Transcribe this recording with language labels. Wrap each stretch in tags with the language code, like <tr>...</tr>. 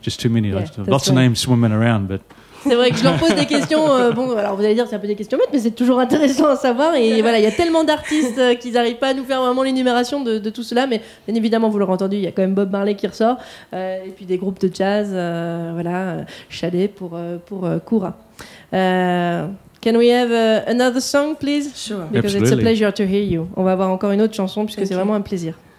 <en>Yeah, lots of names swimming around, but...</en> <fr>C'est vrai que je leur pose des questions. Alors vous allez dire que c'est un peu des questions bêtes, mais c'est toujours intéressant à savoir. Et voilà, il y a tellement d'artistes qu'ils n'arrivent pas à nous faire vraiment l'énumération de tout cela. Mais bien évidemment, vous l'aurez entendu, il y a quand même Bob Marley qui ressort. Et puis des groupes de jazz, voilà, Chalet pour Koura.</fr> <en>Can we have another song, please? Sure. Because absolutely. It's a pleasure to hear you.</en> <fr>On va avoir encore une autre chanson, puisque c'est vraiment un plaisir.</fr>